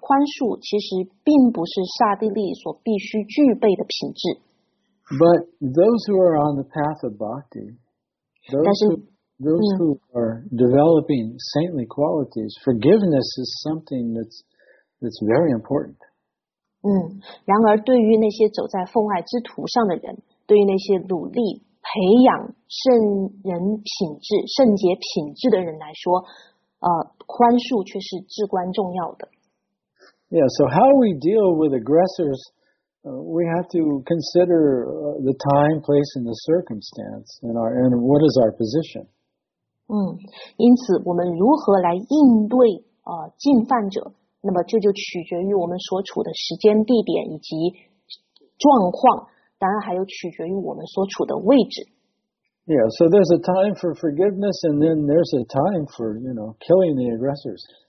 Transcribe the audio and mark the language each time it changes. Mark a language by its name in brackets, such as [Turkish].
[Chinese] 宽恕其实并不是刹帝利所必须具备的品质。 [English] But those who are on the path of bhakti, those who are developing saintly qualities, forgiveness is something that's very important. [Chinese] 然而对于那些走在奉爱之途上的人，对于那些努力培养圣人品质、圣洁品质的人来说，宽恕却是至关重要的。 [English] Yeah, so how we deal with aggressors, we have to consider the time, place, and the circumstance, and what is our position. [Chinese] 因此我们如何来应对进犯者，那么这就取决于我们所处的时间、地点以及状况，当然还有取决于我们所处的位置。 [English] Yeah, so there's a time for forgiveness, and then there's a time for, you know, killing the aggressors.